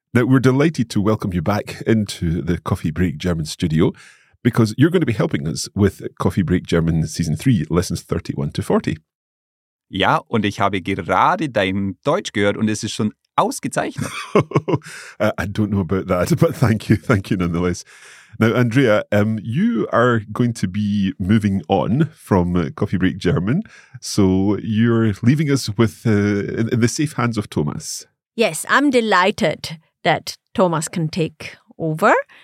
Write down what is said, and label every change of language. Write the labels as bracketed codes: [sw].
[en] Now, we're delighted to welcome you back into the Coffee Break German studio because you're going to be helping us with Coffee Break German Season 3, Lessons 31 to 40. [de] Ja, und ich habe gerade dein Deutsch gehört und es ist schon ausgezeichnet. [en] I don't know about that, but thank you. Thank you nonetheless. Now, Andrea, you are going to be moving on from Coffee Break German. So you're leaving us with in the safe hands of Thomas. Yes, I'm delighted that Thomas can take over.